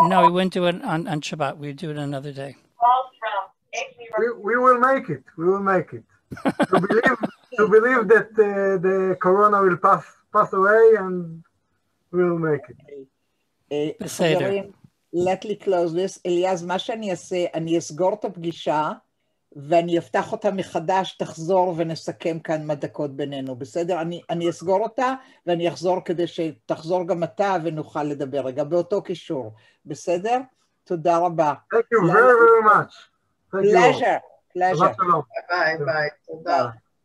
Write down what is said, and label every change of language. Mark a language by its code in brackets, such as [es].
[en] No, we wouldn't do it on Shabbat. We'd do it another day. We will make it. We will make it. to believe that the corona will pass away, and we'll make it. חברים, let me close this. [he] אליעז, מה שאני אעשה, אני אסגור את הפגישה, ואני אפתח אותה מחדש, תחזור ונסכם כאן מדקות בינינו, בסדר? אני אסגור אותה, ואני אחזור כדי שתחזור גם אתה, ונוכל לדבר רגע באותו קישור, בסדר? תודה רבה. [en] Thank you very, very much. Pleasure. Bye-bye. תודה.